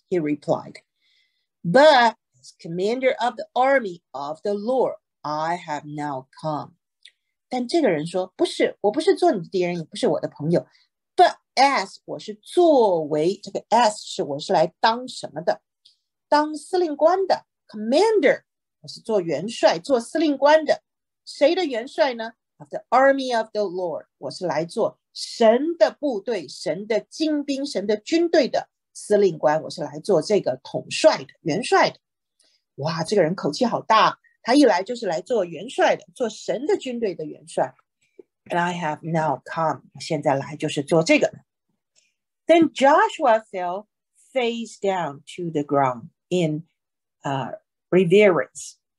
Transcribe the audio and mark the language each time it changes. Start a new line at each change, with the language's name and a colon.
English: He replied，But as commander of the army of the Lord，I have now come。
Chinese: 但这个人说：“不是，我不是做你的敌人，也不是我的朋友。
English: But as
Chinese: 我是作为这个 as 是我是来当什么的？当司令官的 commander，我是做元帅，做司令官的。谁的元帅呢？
English: Of the army of the Lord，
Chinese: 我是来做神的部队、神的精兵、神的军队的司令官，我是来做这个统帅的元帅的。哇，这个人口气好大。” 他一来就是来做元帅的，做神的军队的元帅。
English: And I have now come，
Chinese: 现在来就是做这个。
English: Then Joshua fell face down to the ground in reverence.